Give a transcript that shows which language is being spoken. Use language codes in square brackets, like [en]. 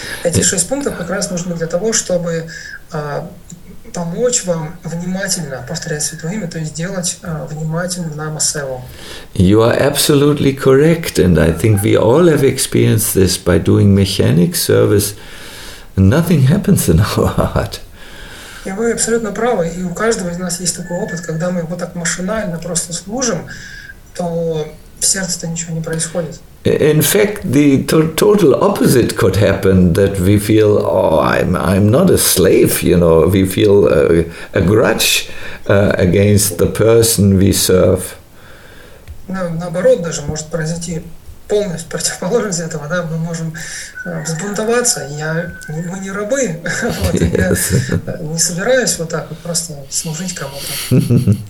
[ru] Эти шесть пунктов как раз нужны для того, чтобы помочь вам внимательно повторять Святое Имя, то есть делать внимательным намасеву. [en] You are absolutely correct, and I think we all have experienced this by doing mechanic service. Nothing happens in our heart. [ru] И вы абсолютно правы, и у каждого из нас есть такой опыт, когда мы вот так машинально просто служим, то в сердце-то ничего не происходит. [en] In fact, the total opposite could happen, that we feel, oh, I'm not a slave, you know, we feel a grudge against the person we serve. [ru] No, наоборот, даже может произойти полностью противоположность этого, да, мы можем взбунтоваться, мы не рабы, вот, я не собираюсь вот так вот просто служить кому-то.